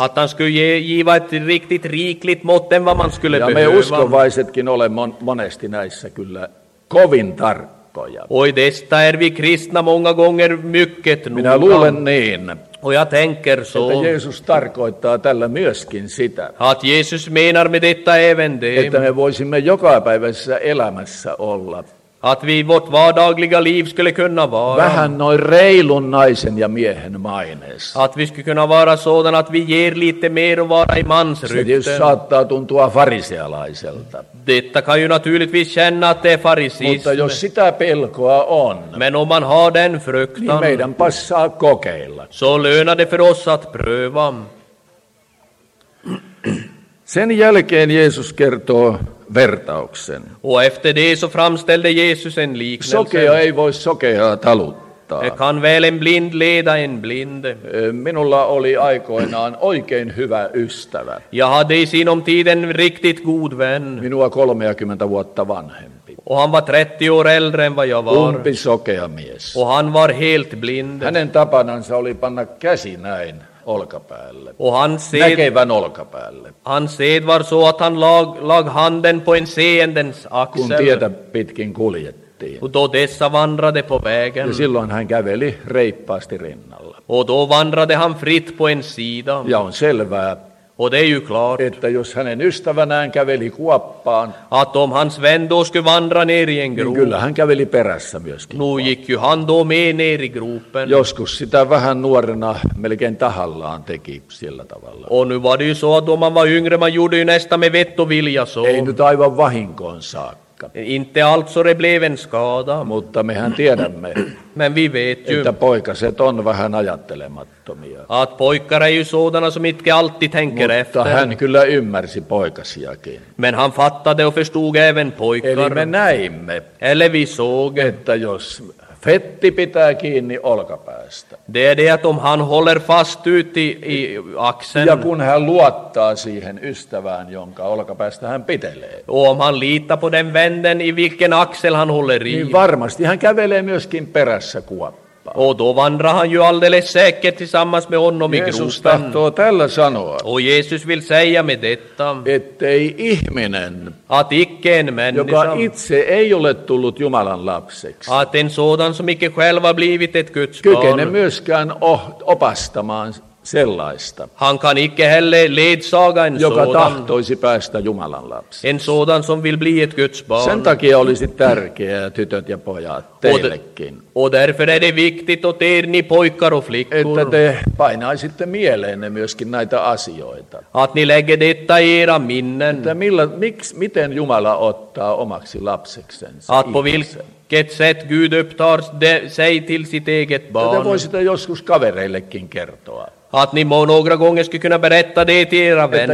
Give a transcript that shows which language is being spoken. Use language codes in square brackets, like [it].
[sv] Att han skulle giva ett riktigt rikligt mått än vad man skulle behöva. [fi] Ja me uskovaisetkin olemme monesti näissä kyllä kovin tarkkoja. [sv] Oj, desta är vi kristna många gånger mycket noga. [fi] Minä luulen niin. [sv] Och jag tänker så. [fi] Että Jeesus tarkoittaa tällä myöskin sitä. [sv] Att Jesus menar med detta även det. [fi] Että me voisimme jokapäiväisessä elämässä olla. [sv] Att vi vårt vardagliga liv skulle kunna vara. [fi] Vähän noin reilun naisen ja miehen maineessa. [sv] Att vi skulle kunna vara sådana att vi ger lite mer och vara i mans rykten. [fi] Se saattaa tuntua farisealaiselta. [sv] Detta kan ju naturligtvis känna att det är farisism. [fi] Mutta jos sitä pelkoa on. [sv] Men om man har den fruktan. [fi] Niin meidän passaa kokeilla. [sv] Så lönar det för oss att pröva. [fi] Sen jälkeen Jeesus kertoo vertauksen. [sv] Och efter det så framställde Jesus en liknelse. [fi] Sokea ei voi sokeaa taluttaa. [sv] Kan väl en blind leda en blind. [fi] Minulla oli aikoinaan oikein hyvä ystävä. [sv] Jag hade i sinom tiden riktigt god vän. [fi] Minua 30 vuotta vanhempi. [sv] Och han var 30 år äldre än vad jag var. [fi] Umpi sokea mies. [sv] Och han var helt blind. [fi] Hänen tapanansa oli panna käsi näin. Olkapäälle. [sv] Och han sed, [fi] näkevän olkapäälle. [sv] Han sed var så att han lag handen på en seendens axel. [fi] Kun tietä pitkin kuljettiin. [sv] Och då dessa vandrade på vägen. [fi] Ja silloin hän käveli reippaasti rinnalla. [sv] Och då vandrade han fritt på en sida. [fi] Ja on selvää. [sv] Och det är ju klart. [fi] Että jos hänen ystävänään käveli kuoppaan. [sv] Att om hans vän då skulle vandra ner i en grop. [fi] Niin kyllä hän käveli perässä myöskin. [sv] Nu gick ju han då med ner i gruppen. [fi] Joskus sitä vähän nuorena melkein tahallaan teki sillä tavalla. [sv] Och nu var det ju så att om man var yngre man gjorde ju nästa med vett och vilja så. [fi] Ei nyt aivan vahinkoon saakka. [sv] Inte alltså det blev en skada. [fi] Mutta mehän tiedämme. [sv] Men vi vet ju. [fi] Että poikaset on vähän ajattelemattomia. [sv] Att pojkar är ju sådana som inte alltid tänker [fi] mutta [sv] efter. [fi] Hän kyllä ymmärsi poikasiakin. [sv] Men han fattade och förstod även pojkar. [fi] Eli me näimme. [sv] Eller vi såg. [fi] Että jos fetti pitää kiinni olkapäästä. [sv] Det är det att om han håller fast ut i axeln. [fi] Ja kun hän luottaa siihen ystävään, jonka olkapäästä hän pitelee. [sv] Och om han litar på den vänden i vilken axel han håller i. [fi] Niin varmasti hän kävelee myöskin perässä kuoppaan. [sv] Och då vandrar han ju alldeles säkert tillsammans med honom i gruppen. [fi] Jeesus tahtoo tällä sanoa. [sv] Och Jesus vill säga med detta. [fi] Ettei ihminen. [sv] Att icke en människa, [fi] joka itse ei ole tullut Jumalan lapseksi. [sv] Att en sådan som icke själv har blivit ett Guds barn. [fi] Kykene myöskään opastamaan sellaista. [sv] Han kan icke heller ledsaga en sådan. [fi] Joka tahtoisi päästä Jumalan lapseksi. [sv] En sådan som vill bli ett Guds barn. [fi] Sen takia olisi tärkeää, tytöt ja pojat, teillekin. [sv] Och därför är det viktigt att er ni pojkar och flickor. [fi] Että te painaisitte mieleenne myöskin näitä asioita. [sv] Att ni lägger detta i era minnen. [fi] Että miten Jumala ottaa omaksi lapseksensa itse. [sv] Att på vilket sätt Gud upptar sig till sitt eget barn. [fi] Ja te voisitte joskus kavereillekin kertoa. [sv] Att ni må några gånger skulle kunna berätta det till era vänner.